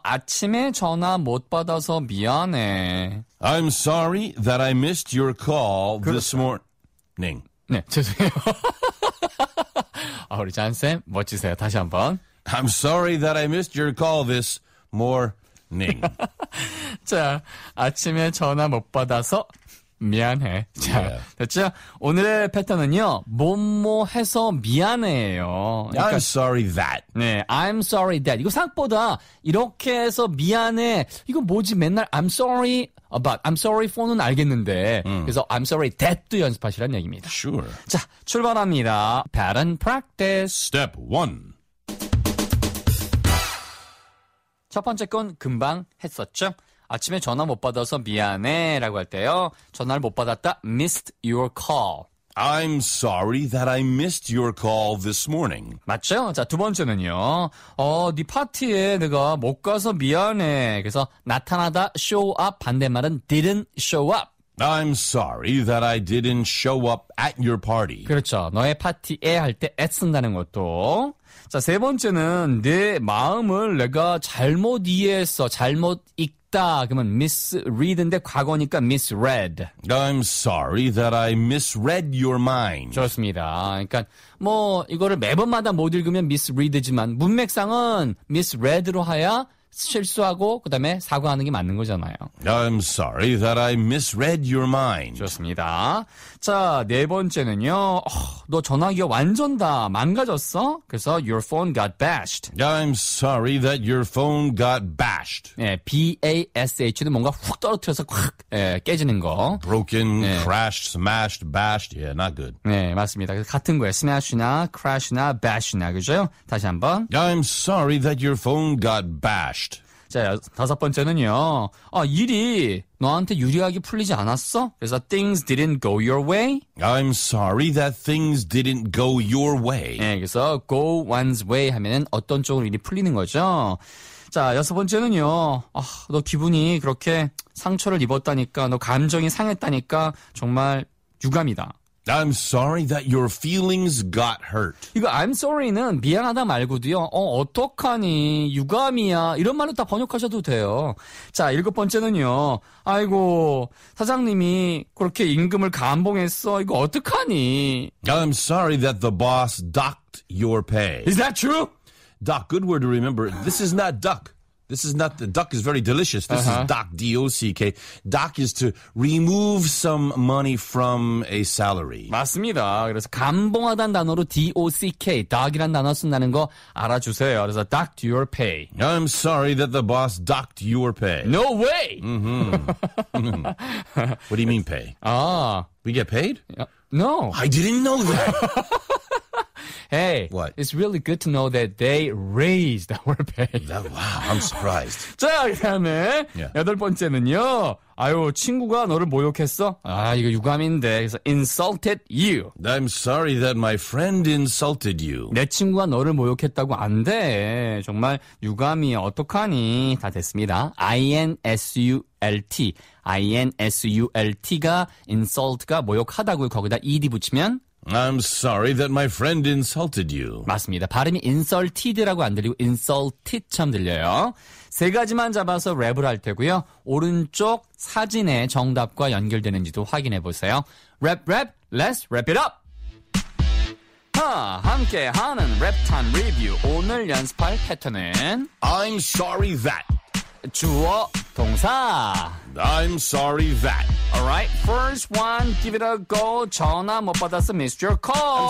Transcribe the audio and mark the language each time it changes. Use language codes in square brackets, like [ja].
[ko] 아침에 전화 못 받아서 미안해. [en] I'm sorry that I missed your call [ko] 그렇죠. [en] this morning. [ko] 네, 죄송해요. 아, 우리 잔쌤 멋지세요. 다시 한번. [en] I'm sorry that I missed your call this morning. [ko] 자, 아침에 전화 못 받아서 미안해. 자, yeah. 됐죠? 오늘의 패턴은요. 뭐뭐 해서 미안해요. [en] 그러니까, I'm sorry that. 네, I'm sorry that. [ko] 이거 생각보다 이렇게 해서 미안해. 이거 뭐지? 맨날 [en] I'm sorry about, I'm sorry for [ko] 는 알겠는데. 그래서 [en] I'm sorry that [ko] 도 연습하시라는 얘기입니다. [en] Sure. [ko] 자, 출발합니다. [en] Pattern practice. Step 1. [ko] 첫 번째 건 금방 했었죠? 아침에 전화 못 받아서 미안해 라고 할 때요. 전화를 못 받았다. [en] Missed your call. I'm sorry that I missed your call this morning. [ko] 맞죠? 자, 두 번째는요. 네 파티에 내가 못 가서 미안해. 그래서 나타나다, show up. 반대말은 didn't show up. [en] I'm sorry that I didn't show up at your party. [ko] 그렇죠. 너의 파티에 할 때 at 쓴다는 것도. 자, 세 번째는 네 마음을 내가 잘못 이해했어. 잘못 읽 그러면 misread인데 과거니까 misread. [en] I'm sorry that I misread your mind. [ko] 좋습니다. 그러니까 뭐 이거를 매번마다 못 읽으면 misread지만 문맥상은 misread로 해야 실수하고 그 다음에 사과하는 게 맞는 거잖아요. [en] I'm sorry that I misread your mind. [ko] 좋습니다. 자, 네 번째는요. 너 전화기가 완전 다 망가졌어? [en] 그래서 your phone got bashed. I'm sorry that your phone got bashed. [ko] 네, B-A-S-H는 뭔가 훅 떨어뜨려서 확 깨지는 거. [en] Broken, 네. crashed, smashed, bashed. Yeah, not good. [ko] 네, 맞습니다. 같은 거예요. [en] Smash나, crash나, bash나. [ko] 그죠? 다시 한번. [en] I'm sorry that your phone got bashed. [ko] 자, 다섯 번째는요. 아, 일이 너한테 유리하게 풀리지 않았어? [en] 그래서 things didn't go your way. I'm sorry that things didn't go your way. [ko] 네, 그래서 go one's way 하면은 어떤 쪽으로 일이 풀리는 거죠. 자, 여섯 번째는요. 아, 너 기분이 그렇게 상처를 입었다니까, 너 감정이 상했다니까 정말 유감이다. [en] I'm sorry that your feelings got hurt. [ko] 이거 I'm sorry는 미안하다 말고도요. 어떡하니? 유감이야. 이런 말로 다 번역하셔도 돼요. 자, 일곱 번째는요. 아이고, 사장님이 그렇게 임금을 감봉했어. 이거 어떡하니? [en] I'm sorry that the boss docked your pay. Is that true? Dock, good word to remember. This is not duck. This is not, the duck is very delicious. This uh-huh. is dock, D-O-C-K. Dock is to remove some money from a salary. [ko] 맞습니다. 그래서 감봉하단 단어로 D-O-C-K, dock이란 단어 쓴다는 거 알아주세요. [en] 그래서 docked your pay. I'm sorry that the boss docked your pay. No way! Mm-hmm. What do you mean pay? Ah. We get paid? No. I didn't know that. Hey, what? It's really good to know that they raised our pay. That, wow, I'm surprised. [ko] 자, 그 다음에 yeah. 여덟 번째는요. 아유, 친구가 너를 모욕했어? 아, 이거 유감인데. [en] 그래서 insulted you. I'm sorry that my friend insulted you. [ko] 내 친구가 너를 모욕했다고 안 돼. 정말 유감이야. 어떡하니? 다 됐습니다. insult. insult가 insult가 모욕하다고 거기다 ed 붙이면 [en] I'm sorry that my friend insulted you. [ko] 맞습니다. 발음이 insulted라고 안 들리고 insulted처럼 들려요. 세 가지만 잡아서 랩을 할 테고요. 오른쪽 사진에 정답과 연결되는지도 확인해 보세요. [en] 랩, 랩, let's wrap it up! [ko] 함께하는 랩탄 리뷰. 오늘 연습할 패턴은 [en] I'm sorry that [ko] 주어 동사 [en] I'm sorry that Alright, first one, give it a go. [ko] 전화 못 받아서 [en] missed your call.